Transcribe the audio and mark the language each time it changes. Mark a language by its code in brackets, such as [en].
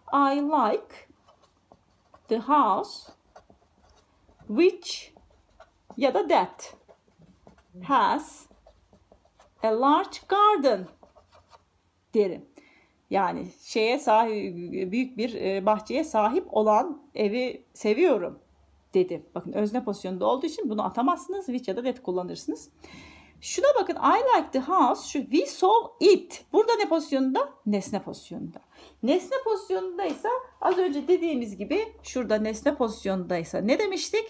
[en] I like the house which [tr] ya da [en] that has a large garden [tr] derim. Yani şeye sahip, büyük bir bahçeye sahip olan evi seviyorum dedim. Bakın özne pozisyonunda olduğu için bunu atamazsınız. Which ya da that kullanırsınız. Şuna bakın, [en] I like the house, şu we saw it. [tr] Burada ne pozisyonunda? Nesne pozisyonunda. Nesne pozisyonundaysa az önce dediğimiz gibi, şurada nesne pozisyonundaysa ne demiştik?